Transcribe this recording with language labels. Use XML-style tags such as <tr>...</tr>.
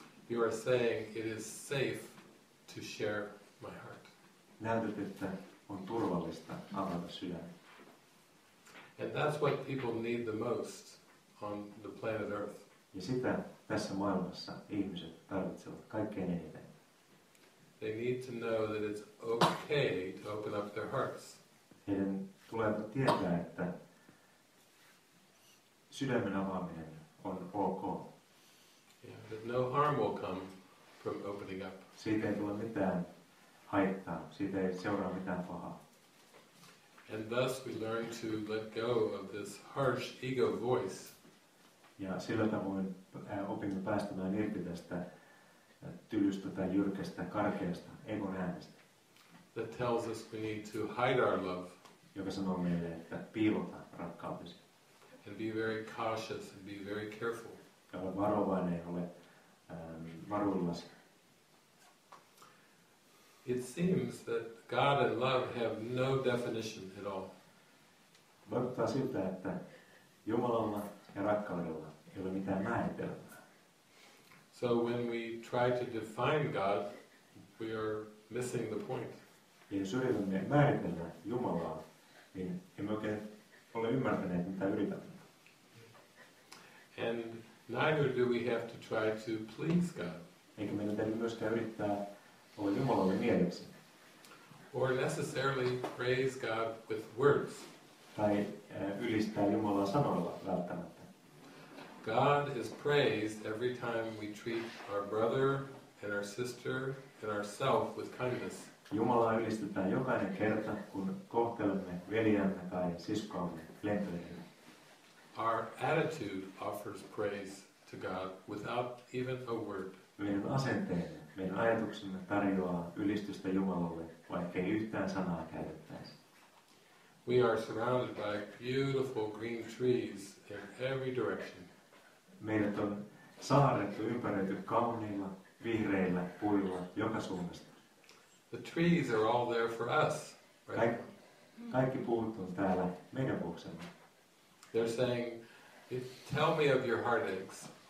<en>You are saying it is safe to share my heart.</en> <fi>Näytät, että on turvallista avata sydäni.</fi> <en>And that's what people need the most on the planet Earth.</en> <fi>Ja sitä tässä maailmassa ihmiset tarvitsevat kaikkein eniten.</fi> <en>They need to know that it's okay to open up their hearts.</en> <fi>Heidän tulee tietää, että sydämen avaaminen on ok.</fi> <en>Yeah, that no harm will come from opening up.</en> <fi>Siitä ei tule mitään haittaa. Siitä ei seuraa mitään pahaa.</fi> <en>And thus we learn to let go of this harsh ego voice.</en> <fi>Ja sillä tavoin opimme päästämään irti tästä tylystä tai jyrkästä, karkeasta egon äänestä.</fi> <en>That tells us we need to hide our love.</en> <fi>Joka sanoo meille, että piilota rakkautesi.</fi> <en>And be very cautious and be very careful.</en> <fi>Ja ole varovainen, ole varuillasi.</fi> <en>It seems that God and love have no definition at all.</en> <fi>Vaikuttaa siltä, että Jumalalla ja rakkaudella ei ole mitään määritelmää.</fi> <en>So when we try to define God, we are missing the point.</en> <fi>Ja jos yritämme määritellä Jumalaa, niin emme oikein ole ymmärtäneet, mitä yritämme.</fi> <en>And neither do we have to try to please God.</en> <fi>Eikä meidän tarvitse myöskään yrittää olla Jumalalle mieliksi.</fi> <en>Or necessarily praise God with words.</en> <fi>Tai ylistää Jumalaa sanoilla välttämättä.</fi> <en>God is praised every time we treat our brother and our sister and ourselves with kindness.</en> <fi>Jumalaa ylistetään jokainen kerta, kun kohtelemme veljämme tai siskoamme lempeydellä.</fi> <en>Our attitude offers praise to God without even a word.</en> <fi>Meidän asenteemme, meidän ajatuksemme tarjoaa ylistystä Jumalalle, vaikkei yhtään sanaa käytettäisi.</fi> <en>We are surrounded by beautiful green trees in every direction.</en> <fi>Meidät on saarrettu, ympäröity kauniilla, vihreillä puilla joka suunnasta.</fi> <en>The trees are all there for us. Right?</en> <fi>Kaikki puut on täällä meidän vuoksemme.</fi> <en>They're saying, tell me of your heartaches.</en>